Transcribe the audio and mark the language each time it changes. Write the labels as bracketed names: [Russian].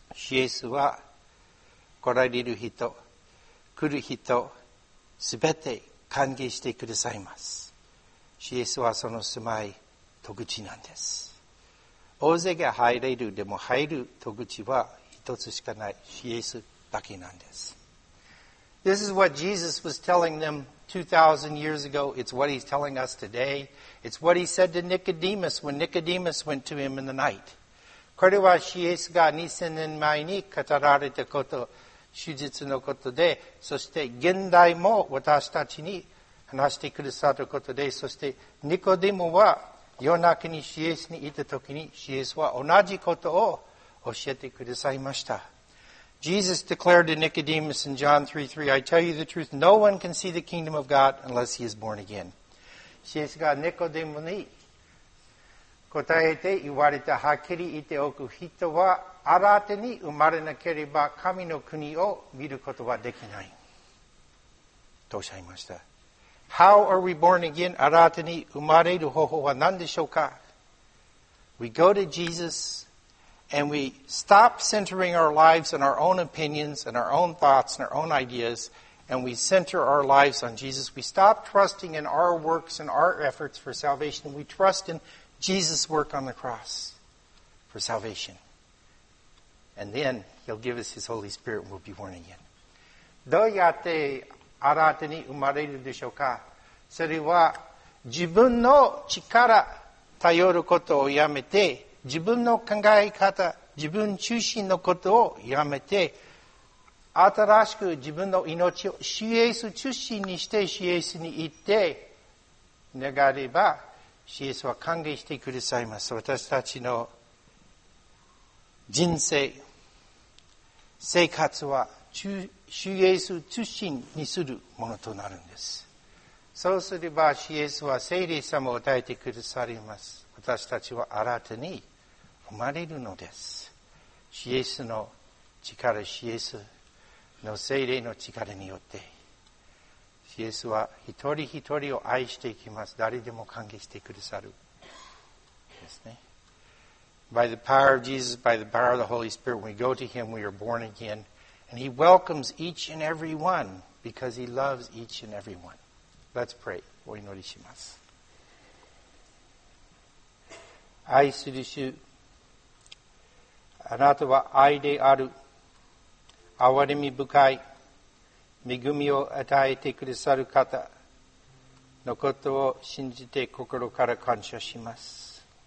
[Japanese] イエスは来られる人、来る人、すべて歓迎してくださいます。イエスはその住まい、戸口なんです。大勢が入れるでも入る戸口は一つしかないイエスだけなんです。 [English] This is what Jesus was telling them 2,000 years ago. It's what he's telling us today. It's what he said to Nicodemus when Nicodemus went to him in the night. [Japanese] これはイエスが2000年前に語られたこと、主日のことで、そして現代も私たちに話してくださったことで、そしてニコデモは夜中にイエスにいたときに、イエスは同じことを教えてくださいました。 [English] Jesus declared to Nicodemus in John 3:3, I tell you the truth, no one can see the kingdom of God unless he is born again. [Japanese] イエスがニコデモに答えて言われた、はっきり言っておく、人は新たに生まれなければ神の国を見ることはできない。とおっしゃいました。 [English] How are we born again? [Japanese] 新たに生まれる方法は何でしょうか? [English] We go to Jesus and we stop centering our lives on our own opinions and our own thoughts and our own ideas and we center our lives on Jesus. We stop trusting in our works and our efforts for salvation. We trust in Jesus' work on the cross for salvation. And then he'll give us his Holy Spirit and we'll be born again. [Japanese] どうやって新たに生まれるでしょうか。それは自分の力頼ることをやめて、自分の考え方、自分中心のことをやめて、新しく自分の命をイエス中心にしてイエスに行って願えば、イエスは歓迎してくださいます。私たちの人生生活は主イエス中心にするものとなるんです。そうすればイエスは聖霊様を与えてくださります。私たちは新たに生まれるのです。イエスの力、イエスの聖霊の力によってイエスは一人一人を愛していきます。誰でも歓迎してくださるですね。 [English] By the power of Jesus, by the power of the Holy Spirit, when we go to Him, we are born again. And He welcomes each and every one because He loves each and every one. Let's pray. [Japanese] お祈りします。愛する主、あなたは愛である。憐れみ深い、恵みを与えてくださる方のことを信じて心から感謝します。